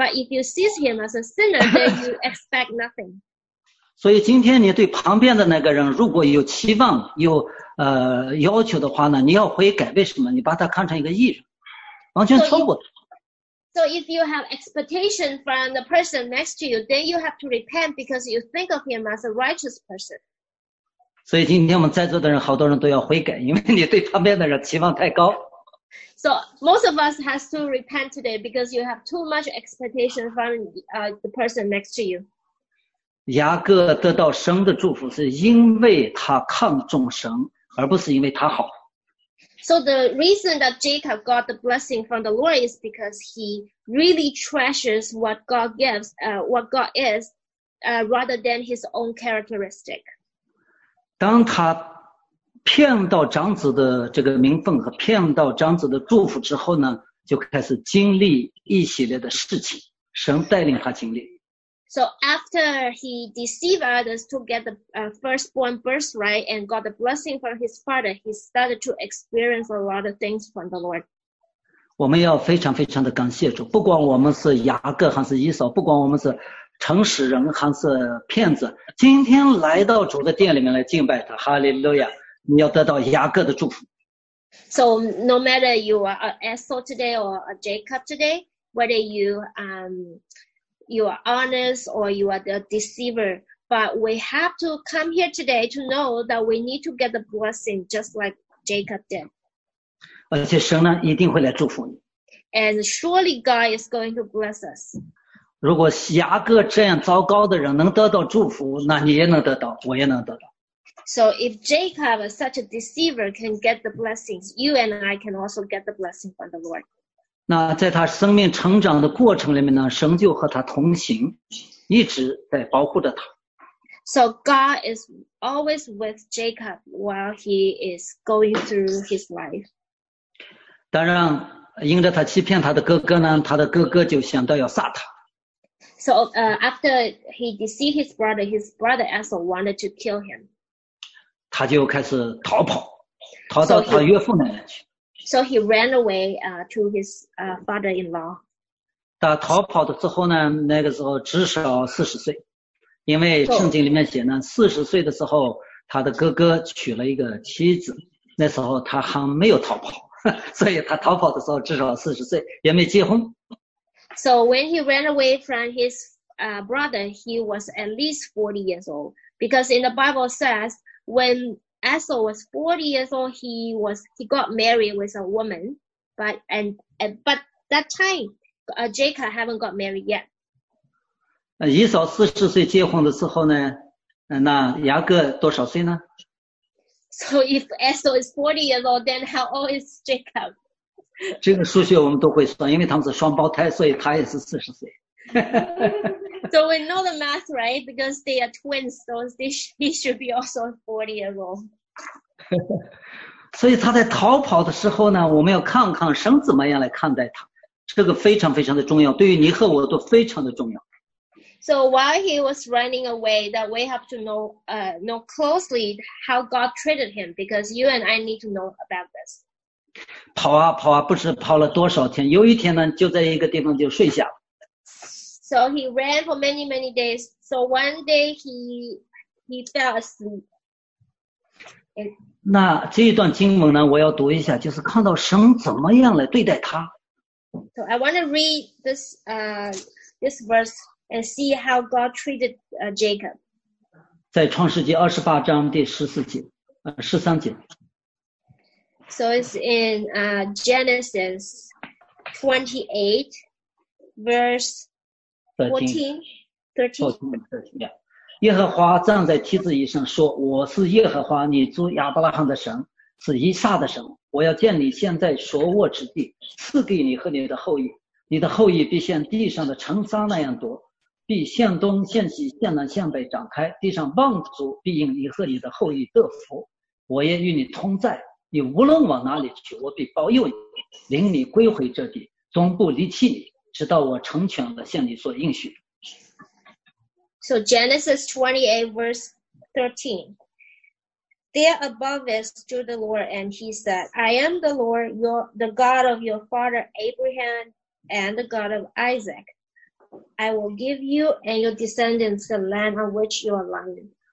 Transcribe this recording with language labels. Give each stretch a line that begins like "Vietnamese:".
English: But if you see him as a sinner, then you expect nothing.
Chinese: 所以今天你对旁边的那个人如果有期望，有要求的话呢，你要悔改。为什么？你把他看成一个义人，完全错误的。
English: So if you have expectation from the person next to you, then you have to repent because you think of him as a righteous person.
Chinese: 所以今天我们在座的人好多人都要悔改，因为你对旁边的人期望太高。
English: So most of us has to repent today because you have too much expectation from the person next to you.
Chinese: 雅各得到神的祝福是因为他看重神，而不是因为他好。
English: So the reason that Jacob got the blessing from the Lord is because he really treasures what God gives, what God is, rather than his own characteristic.
Chinese: 当他骗到长子的这个名分和骗到长子的祝福之后呢，就开始经历一系列的事情，神带领他经历。
English: So after he deceived others to get the firstborn birthright and got the blessing from his father, he started to experience a lot of things from the Lord.
Chinese: 我们要非常非常的感谢主，不管我们是雅各还是以扫，不管我们是诚实人还是骗子，今天来到主的殿里面来敬拜他，哈利路亚，你要得到雅各的祝福。
English: So no matter you are an Esau today or a Jacob today, whether you are honest or you are the deceiver. But we have to come here today to know that we need to get the blessing just like Jacob did.
Chinese: 而且神呢一定会来祝福你。
English: And surely God is going to bless us.
Chinese: 如果雅各这样糟糕的人能得到祝福，那你也能得到，我也能得到。
English: So if Jacob is such a deceiver can get the blessings, you and I can also get the blessing from the Lord.
Chinese: 那在他生命成长的过程里面呢，神就和他同行，一直在保护着他。
English: So God is always with Jacob while he is going through his life.
Chinese: 当然，因着他欺骗他的哥哥呢，他的哥哥就想到要杀他。
English: So after he deceived his brother Esau wanted to kill him.
Chinese: 他就开始逃跑，逃到他岳父那里去。
English: So he ran away to his father-in-law.
Chinese: 他逃跑的时候呢，那个时候至少40岁，因为圣经里面写呢，40岁的时候他的哥哥娶了一个妻子，那时候他还没有逃跑，所以他逃跑的时候至少40岁，也没结婚。
English: So when he ran away from his brother, he was at least 40 years old. Because in the Bible says, when Esau was 40 years old, he got married with a woman. But that time, Jacob haven't got married yet.
Chinese: 以扫40岁结婚的时候呢，那雅各多少岁呢？
English: So if Esau is 40 years old, then how old is Jacob?
Chinese: 这个数学我们都会算，因为他们是双胞胎，所以他也是40岁。
English: So we know the math, right? Because they are twins, so he should be also 40 years old.
Chinese: 所以他在逃跑的时候呢，我们要看看神怎么样来看待他，这个非常非常的重要，对于你和我都非常的重要。
English: So while he was running away, that we have to know closely how God treated him, because you and I need to know about this.
Chinese: 跑啊跑啊，不知跑了多少天，有一天呢，就在一个地方就睡下了。
English: So he ran for many, many days. So one day he fell asleep.
Chinese: 那这一段经文呢，我要读一下，就是看到神怎么样来对待他。
English: So I want to read this verse and see how God treated Jacob.
Chinese: 在创世纪28章第14节，13节。
English: So it's in Genesis 28 verse 14, 13.
Chinese: 耶和华站在梯子以上说，我是耶和华你主亚伯拉罕的神，是以撒的神，我要见你现在所卧之地，赐给你和你的后裔，你的后裔必像地上的尘沙那样多，必向东向西向南向北展开，地上万族必因你和你的后裔得福，我也与你同在，你无论往哪里去，我必保佑你，领你归回这地，终不离弃你，直到我成全了向你所应许。
English: So Genesis 28 verse 13, there above is to the Lord, and he said, I am the Lord, the God of your father Abraham and the God of Isaac. I will give you and your descendants the land on which you are lying.